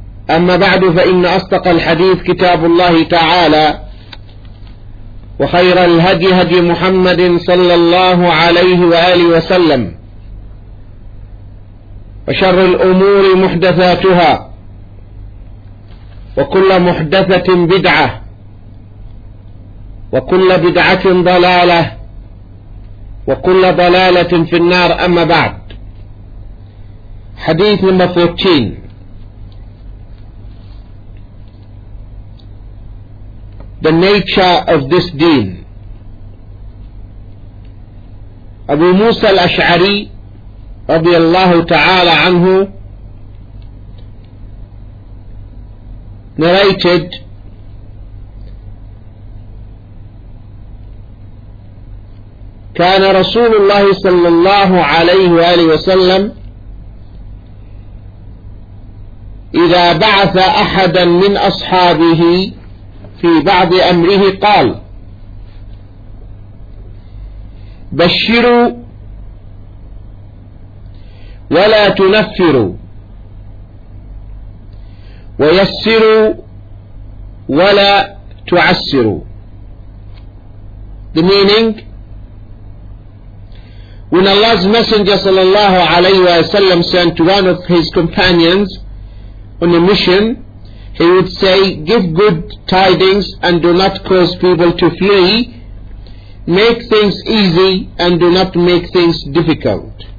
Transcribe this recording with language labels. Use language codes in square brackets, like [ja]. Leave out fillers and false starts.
[ar] أما بعد، فإن أصدق الحديث كتاب الله تعالى، وخير الهدي هدي محمد صلى الله عليه وآله وسلم، وشر الأمور محدثاتها، وكل محدثة بدعة، وكل بدعة ضلالة، وكل ضلالة في النار. أما بعد، حديث المفروتين [en] The nature of this deen. [ar] أبو موسى الأشعري رضي الله تعالى عنه [en] narrated [ar] كان رسول الله صلى الله عليه وآله وسلم إذا بعث أحدا من أصحابه في بعض أمره قال بشروا ولا تنفروا، ويسروا ولا تعسروا. [en] The meaning, when Allah's Messenger sallallahu alayhi wa sallam sent one of his companions on a mission, he would say, give good tidings and do not cause people to flee, make things easy and do not make things difficult.